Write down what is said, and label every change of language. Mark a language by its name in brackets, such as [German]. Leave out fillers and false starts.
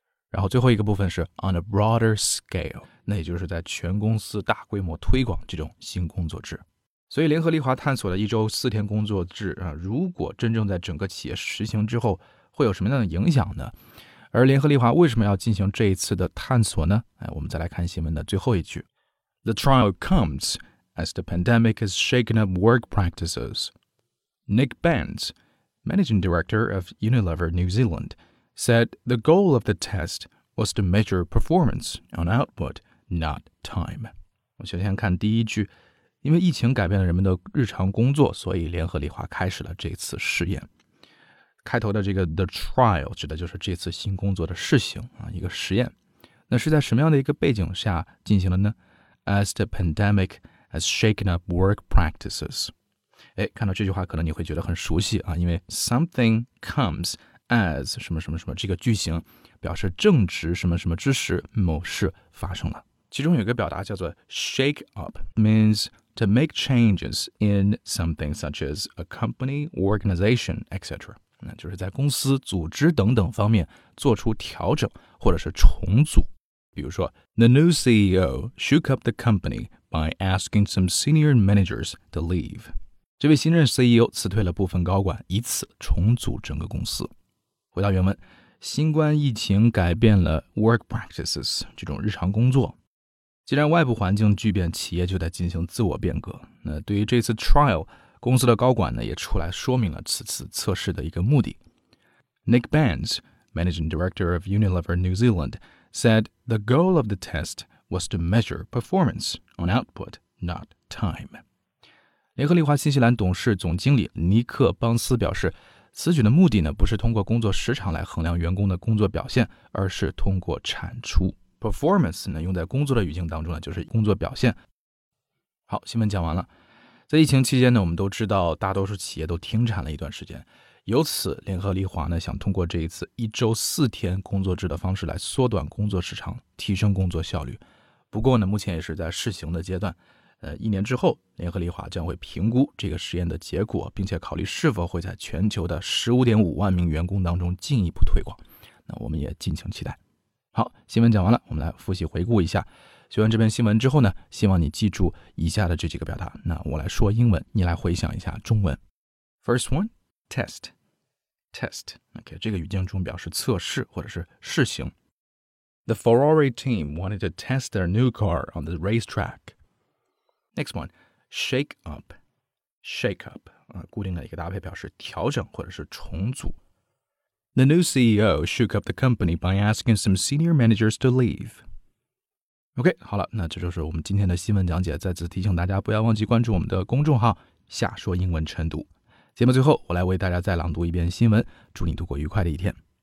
[Chinese] 然后最后一个部分是 [English] on a broader scale， [Chinese] 那也就是在全公司大规模推广这种新工作制。所以联合利华探索的一周四天工作制啊，如果真正在整个企业实行之后会有什么样的影响呢？而联合利华为什么要进行这一次的探索呢？哎，我们再来看新闻的最后一句。 [English] The trial comesAs the pandemic has shaken up work practices, Nick Benz, managing director of Unilever New Zealand, said the goal of the test was to measure performance on output, not time. [Chinese] 我首先看第一句，因为疫情改变了人们的日常工作，所以联合利华开始了这次试验。开头的这个 the trial 指的就是这次新工作的试行啊，一个实验。那是在什么样的一个背景下进行了呢？ [English] As the pandemic has shaken up work practices. [Chinese] 哎，看到这句话可能你会觉得很熟悉啊，因为 [English] something comes as [Chinese] 什么什么什么这个句型表示正值什么什么之时某事发生了。其中有一个表达叫做 [English] shake up means to make changes in something such as a company, organization, etc. [Chinese] 那就是在公司组织等等方面做出调整或者是重组。比如说 [English] The new CEO shook up the companyby asking some senior managers to leave. [Chinese] 这位新任 CEO 辞退了部分高管，以此重组整个公司。回到原文，新冠疫情改变了 [English] work practices [Chinese] 这种日常工作。既然外部环境巨变，企业就在进行自我变革。那对于这次 trial， 公司的高管呢也出来说明了此次测试的一个目的。 [English] Nick Benz, managing director of Unilever New Zealand, said the goal of the test was to measure performance. On output, not time. [Chinese] 联合利华新西兰董事总经理尼克·邦斯表示，此举的目的呢，不是通过工作时长来衡量员工的工作表现，而是通过产出。 Performance 呢，用在工作的语境当中呢，就是工作表现。好，新闻讲完了。在疫情期间呢，我们都知道，大多数企业都停产了一段时间。由此，联合利华呢，想通过这一次一周四天工作制的方式来缩短工作时长，提升工作效率。不过呢，目前也是在试行的阶段，一年之后，联合利华将会评估这个实验的结果，并且考虑是否会在全球的 15.5 万名员工当中进一步推广。那我们也敬请期待。好，新闻讲完了，我们来复习回顾一下。学完这篇新闻之后呢，希望你记住以下的这几个表达。那我来说英文，你来回想一下中文。 [English] First one, test. Test. [Chinese] OK, 这个语境中表示测试或者是试行。 [English] The Ferrari team wanted to test their new car on the racetrack. Next one, shake up. Shake up, [Chinese] 固定的一个搭配表示调整或者是重组。 [English] The new CEO shook up the company by asking some senior managers to leave. [Chinese] OK, 好了，那这就是我们今天的新闻讲解。再次提醒大家不要忘记关注我们的公众号下说英文晨读。节目最后我来为大家再朗读一遍新闻，祝你度过愉快的一天。